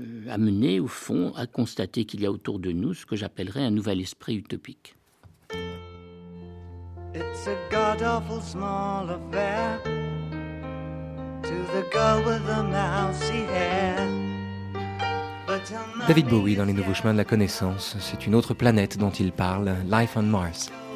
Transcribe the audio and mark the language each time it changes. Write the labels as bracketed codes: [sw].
[fr] amené au fond à constater qu'il y a autour de nous ce que j'appellerais un nouvel esprit utopique. [en] It's a god-awful small affair to the girl with the mousy hair. [fr] David Bowie dans Les Nouveaux Chemins de la Connaissance, c'est une autre planète dont il parle, Life on Mars.